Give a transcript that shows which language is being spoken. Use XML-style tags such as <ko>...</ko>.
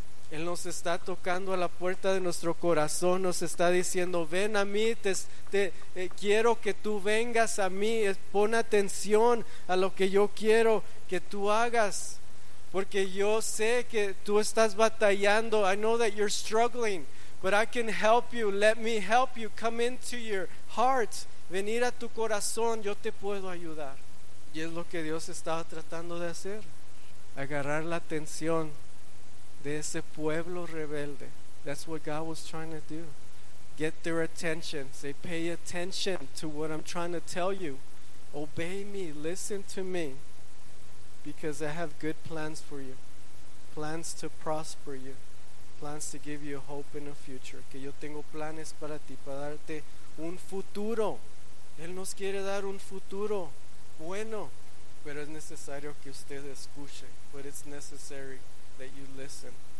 <es>Él nos está tocando a la puerta de nuestro corazón, nos está diciendo, ven a mí, quiero que tú vengas a mí, pon atención a lo que yo quiero que tú hagas, porque yo sé que tú estás batallando.</es> <en>I know that you're struggling, but I can help you. Let me help you. Come into your heart.</en> <es>Venir a tu corazón. Yo te puedo ayudar. Y es lo que Dios estaba tratando de hacer. Agarrar la atención de ese pueblo rebelde.</es> <en>That's what God was trying to do. Get their attention. Say, pay attention to what I'm trying to tell you. Obey me. Listen to me. Because I have good plans for you. Plans to prosper you. Plans to give you hope in the future.</en> <es>Que yo tengo planes para ti, para darte un futuro. Él nos quiere dar un futuro bueno, pero es necesario que usted escuche.</es> <en>But it's necessary that you listen.</en>